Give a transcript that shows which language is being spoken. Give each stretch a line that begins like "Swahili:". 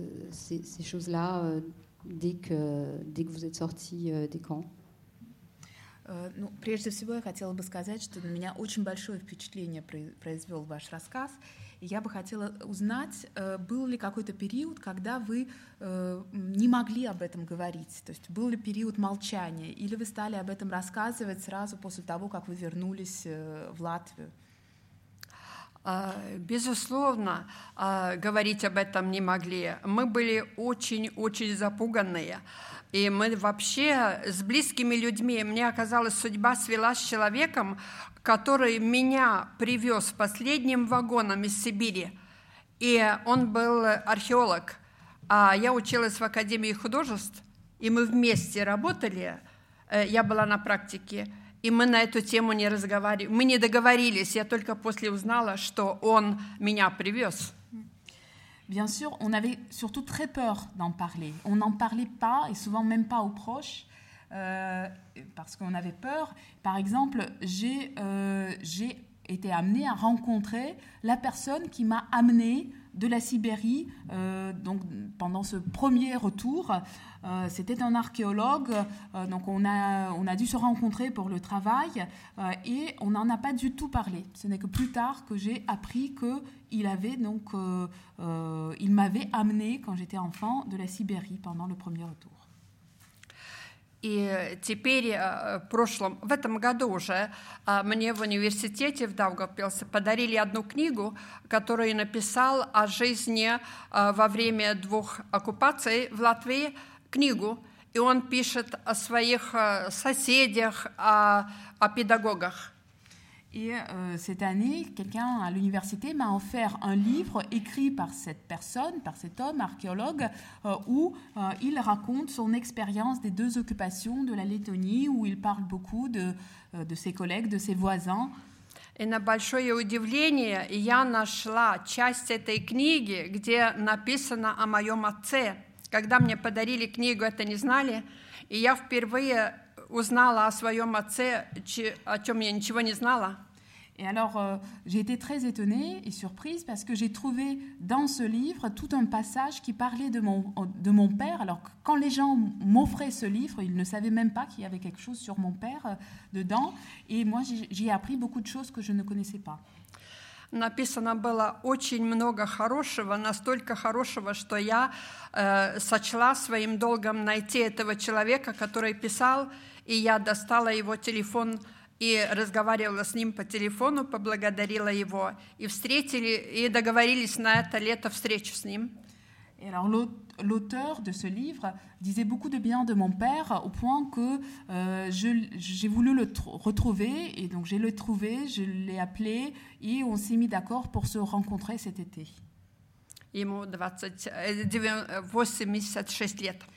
French: ces choses-là dès que vous êtes sortie des camps?
Russian: Прежде всего, я хотела бы сказать, что на меня очень большое впечатление произвел ваш рассказ. И я бы хотела узнать, был ли какой-то период, когда вы не могли об этом говорить? То есть был ли период молчания? Или вы стали об этом рассказывать сразу после того, как вы вернулись в Латвию? Безусловно, говорить об этом не могли. Мы были очень-очень запуганные. И мы вообще с близкими людьми, мне оказалось, судьба свела с человеком, который меня привез последним вагоном из Сибири. И он был археолог. А я училась в Академии художеств, и мы вместе работали. Я была на практике. И мы на эту тему не разговаривали, мы не договорились. Я только после узнала, что он меня привез.
French: Bien sûr, on avait surtout très peur d'en parler. On n'en parlait pas et souvent même pas aux proches parce qu'on avait peur. Par exemple, j'ai été amenée à rencontrer la personne qui m'a amenée de la Sibérie. Donc pendant ce premier retour. C'était un archéologue, donc on a dû se rencontrer pour le travail et on n'en a pas du tout parlé. Ce n'est que plus tard que j'ai appris qu'il avait donc, il m'avait amené quand j'étais enfant de la Sibérie pendant le premier retour.
Russian: И теперь в этом году уже мне в университете в Даугавпилсе подарили одну книгу, которую я написал о жизни во время двух оккупаций в Латвии, книгу, и он пишет о своих соседях, о педагогах.
French: Et cette année, quelqu'un à l'université m'a offert un livre écrit par cette personne, par cet homme, archéologue, où il raconte son expérience des deux occupations de la Lettonie, où il parle beaucoup de ses collègues, de ses voisins. Et
Russian: на большое удивление, я нашла часть этой книги, где написано о моем отце. Когда мне подарили книгу, это не знали, и я впервые узнала о своем отце, о чем я ничего не знала.
French: Et alors, j'ai été très étonnée et surprise parce que j'ai trouvé dans ce livre tout un passage qui parlait de mon père. Alors, quand les gens m'offraient ce livre, ils ne savaient même pas qu'il y avait quelque chose sur mon père dedans. Et moi, j'y ai appris beaucoup de choses que je ne connaissais pas.
Russian: Написано было очень много хорошего, настолько хорошего, что я сочла своим долгом найти этого человека, который писал, и я достала его телефон и разговаривала с ним по телефону, поблагодарила его, и встретили, и договорились на это лето встречу с ним.
French: L'auteur de ce livre disait beaucoup de bien de mon père au point que j'ai voulu le retrouver et donc j'ai le trouvé, je l'ai appelé et on s'est mis d'accord pour se rencontrer cet été.
Russian: Ему 86 лет.